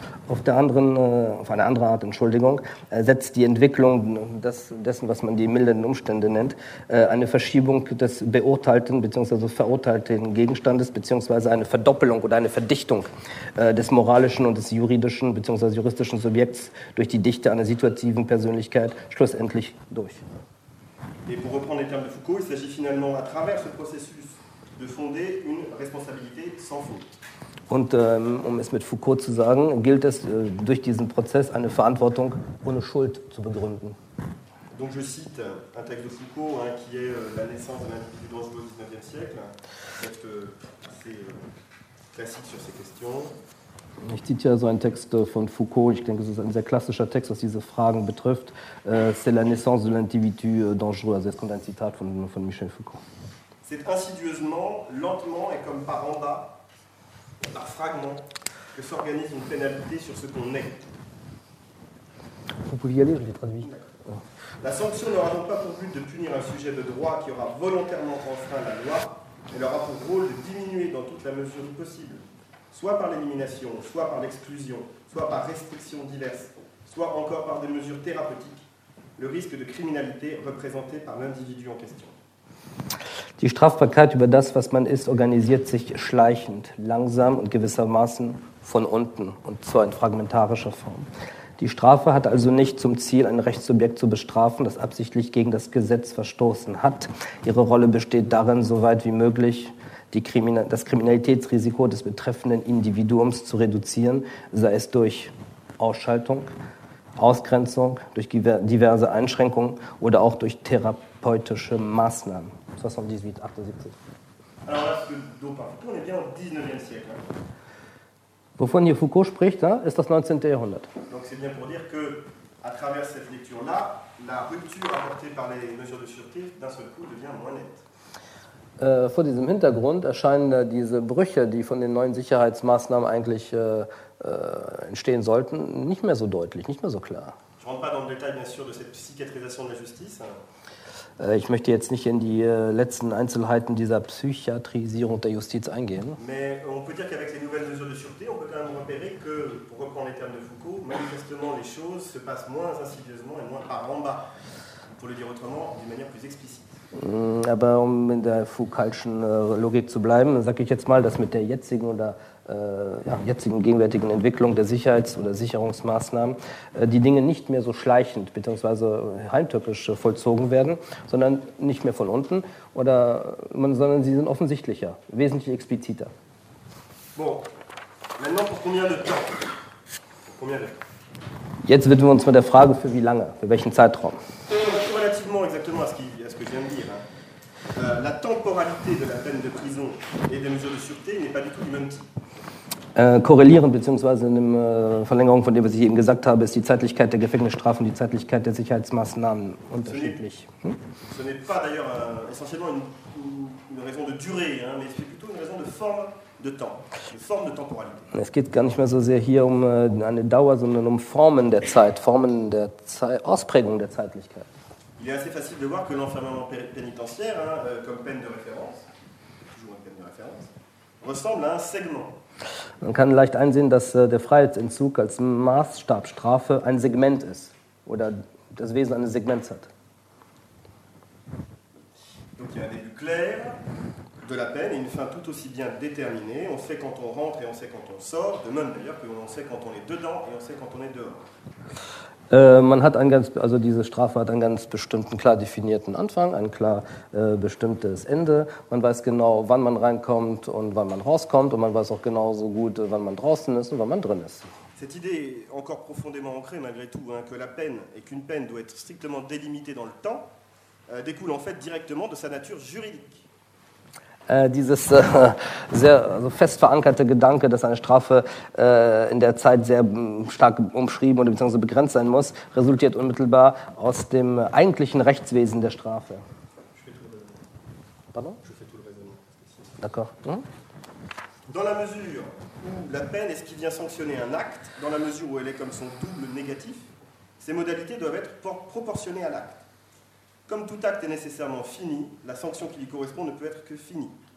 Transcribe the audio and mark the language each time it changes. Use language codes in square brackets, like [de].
[de] Auf der anderen, auf eine andere Art, Entschuldigung, setzt die Entwicklung dessen, was man die milden Umstände nennt, eine Verschiebung des beurteilten bzw. verurteilten Gegenstandes bzw. eine Verdoppelung oder eine Verdichtung des moralischen und des juridischen bzw. juristischen Subjekts durch die Dichte einer situativen Persönlichkeit schlussendlich durch. [fr] Et pour reprendre les termes de Foucault, il s'agit finalement à travers ce processus de fonder une responsabilité sans faute. [de] Und um es mit Foucault zu sagen, gilt es durch diesen Prozess eine Verantwortung ohne Schuld zu begründen. [fr] Donc je cite un texte de Foucault hein, qui est la naissance de l'individu dangereux du 19e siècle. Texte assez classique sur ces questions. [de] Ich zitiere so einen Text von Foucault. Ich denke, es ist ein sehr klassischer Text, was diese Fragen betrifft. [fr] C'est la naissance de l'individu dangereux. [de] Also es kommt ein Zitat von Michel Foucault. [fr] C'est insidieusement, lentement et comme par en bas. Par fragment que s'organise une pénalité sur ce qu'on est. Vous pouvez y aller, je l'ai traduit. D'accord. La sanction n'aura donc pas pour but de punir un sujet de droit qui aura volontairement enfreint la loi. Elle aura pour rôle de diminuer dans toute la mesure possible, soit par l'élimination, soit par l'exclusion, soit par restrictions diverses, soit encore par des mesures thérapeutiques, le risque de criminalité représenté par l'individu en question. [de] Die Strafbarkeit über das, was man ist, organisiert sich schleichend, langsam und gewissermaßen von unten und zwar in fragmentarischer Form. Die Strafe hat also nicht zum Ziel, ein Rechtssubjekt zu bestrafen, das absichtlich gegen das Gesetz verstoßen hat. Ihre Rolle besteht darin, so weit wie möglich das Kriminalitätsrisiko des betreffenden Individuums zu reduzieren, sei es durch Ausschaltung, Ausgrenzung, durch diverse Einschränkungen oder auch durch therapeutische Maßnahmen. 78, 78. [fr] Alors là, ce que Foucault parle, on est bien au 19e siècle. [de] Wovon hier Foucault spricht, hein, ist das 19. Jahrhundert. [fr] Donc c'est bien pour dire que, à travers cette lecture-là, la rupture apportée par les mesures de sûreté, d'un seul coup, devient moins nette. [de] Vor diesem Hintergrund erscheinen diese Brüche, die von den neuen Sicherheitsmaßnahmen eigentlich entstehen sollten, nicht mehr so deutlich, nicht mehr so klar. [fr] Je rentre pas dans le détail, bien sûr, de cette psychiatrisation de la justice. [de] Ich möchte jetzt nicht in die letzten Einzelheiten dieser Psychiatrisierung der Justiz eingehen. [fr] Mais on peut dire qu'avec les nouvelles mesures de sûreté, on peut quand même repérer que, pour reprendre les termes de Foucault, manifestement les choses se passent moins insidieusement et moins par en bas, pour le dire autrement, d'une manière plus explicite. [de] Aber um in der Foucault'schen Logik zu bleiben, sage ich jetzt mal, dass mit der jetzigen oder jetzigen gegenwärtigen Entwicklung der Sicherheits- oder Sicherungsmaßnahmen die Dinge nicht mehr so schleichend bzw. heimtückisch vollzogen werden, sondern nicht mehr von unten, sondern sie sind offensichtlicher, wesentlich expliziter. [fr] Bon, maintenant pour combien de temps? Combien de temps? [de] Jetzt widmen wir uns mal der Frage, für wie lange, für welchen Zeitraum. [fr] Relativement exactement à ce que je viens de dire. La temporalité de la peine de prison et des mesures de sûreté n'est pas du tout du même type. [de] Korrelieren bzw. in der Verlängerung von dem, was ich eben gesagt habe, ist die Zeitlichkeit der Gefängnisstrafe und die Zeitlichkeit der Sicherheitsmaßnahmen unterschiedlich. [fr] Ce n'est pas d'ailleurs essentiellement une raison de durée, hein, mais c'est plutôt une raison de forme de temps, une forme de temporalité. [de] Es geht gar nicht mehr so sehr hier um eine Dauer, sondern um Formen der Zeit, Ausprägung der Zeitlichkeit. [fr] Il est assez facile de voir que l'enfermement pénitentiaire, hein, comme peine de référence, toujours une peine de référence, ressemble à un segment. [de] Man kann leicht einsehen, dass der Freiheitsentzug als Maßstabstrafe ein Segment ist oder das Wesen eines Segments hat. [fr] Donc il y a un début clair de la peine et une fin tout aussi bien déterminée. On sait quand on rentre et on sait quand on sort, de même d'ailleurs que on sait quand on est dedans et on sait quand on est dehors. [de] Diese Strafe hat einen ganz bestimmten, klar definierten Anfang, ein klar bestimmtes Ende. Man weiß genau, wann man reinkommt und wann man rauskommt. Und man weiß auch genauso gut, wann man draußen ist und wann man drin ist. [fr] Cette idée est encore profondément ancrée, malgré tout, hein, que la peine et qu'une peine doit être strictement délimitée dans le temps, découle en fait directement de sa nature juridique. [de] Dieses sehr fest verankerte Gedanke, dass eine Strafe in der Zeit sehr stark umschrieben oder beziehungsweise begrenzt sein muss, resultiert unmittelbar aus dem eigentlichen Rechtswesen der Strafe. [fr] Pardon? D'accord. Dans la mesure où la peine est ce qui vient sanctionner un acte, dans la mesure où elle est comme son double négatif, ces modalités doivent être proportionnées à l'acte. Comme tout acte est nécessairement fini, la sanction qui lui correspond ne peut être que finie.